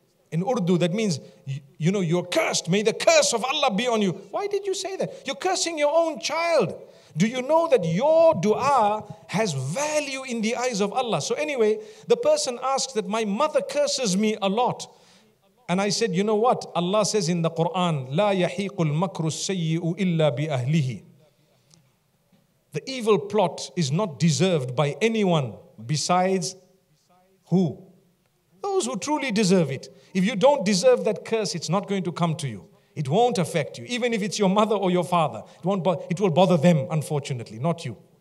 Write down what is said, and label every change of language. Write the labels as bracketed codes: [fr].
[en] In Urdu, that means, you know, you're cursed. May the curse of Allah be on you. Why did you say that? You're cursing your own child. Do you know that your dua has value in the eyes of Allah? So anyway, the person asks that my mother curses me a lot. And I said, you know what? Allah says in the Quran, [ar] لَا يَحِيقُ الْمَكْرُ السَّيِّئُ إِلَّا بِأَهْلِهِ. [en] The evil plot is not deserved by anyone besides who? Those who truly deserve it. If you don't deserve that curse, it's not going to come to you. It won't affect you. Even if it's your mother or your father, it will bother them, unfortunately, not you.